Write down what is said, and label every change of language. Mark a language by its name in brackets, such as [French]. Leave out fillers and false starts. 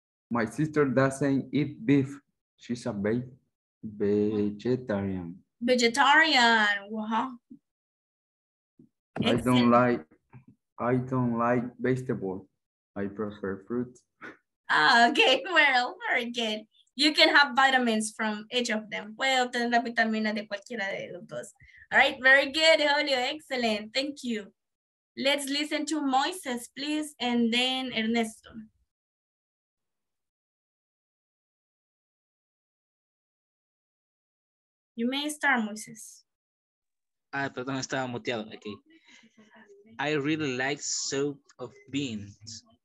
[English] My sister doesn't eat beef. She's a vegetarian. Vegetarian, wow. I don't like vegetables. I prefer fruit. Ah, okay, well, very good. You can have vitamins from each of them. [Spanish] Puede obtener la vitamina de cualquiera de los dos. [English] All right, very good, Julio, excellent. Thank you. Let's listen to Moises, please, and then Ernesto. You may start, Moises. Ah, [Spanish] perdón, estaba muteado, [English] okay. I really like soup of beans.